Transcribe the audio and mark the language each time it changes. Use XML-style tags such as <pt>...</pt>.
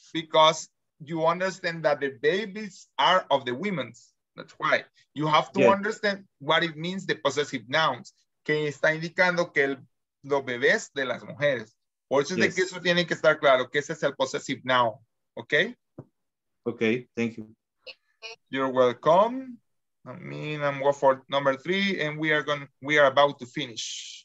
<en>Because you understand that the babies are of the women's. That's why. You have to understand what it means, the possessive nouns.</en> <es>Que está indicando que los bebés de las mujeres. Por eso es de que eso tiene que estar claro, que ese es el possessive noun.</es> <en>Okay? Okay, thank you. You're welcome. I mean, I'm going for number three, and we are about to finish.</en>